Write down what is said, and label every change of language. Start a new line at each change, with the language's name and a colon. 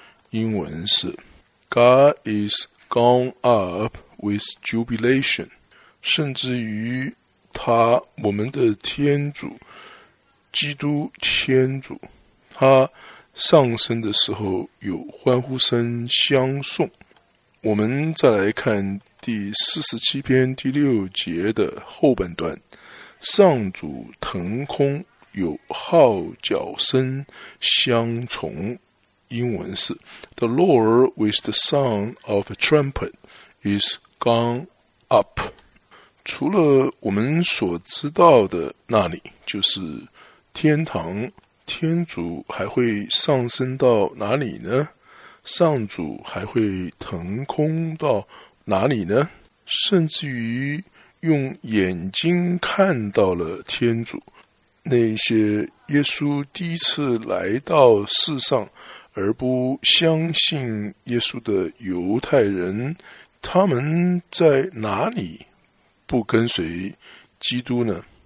Chinese: 英文是
English: God is gone up with jubilation，
Chinese: 甚至于他，我们的天主，基督天主，他上升的时候有欢呼声相送。我们再来看第47:6的后半段：上主腾空，有号角声相从。英文是
English: The Lord with the sound of a trumpet is gone up。
Chinese: 除了我们所知道的那里就是天堂，天主还会上升到哪里呢？上主还会腾空到哪里呢？甚至于用眼睛看到了天主，那些耶稣第一次来到世上而不相信耶稣的犹太人，他们在哪里不跟随基督呢？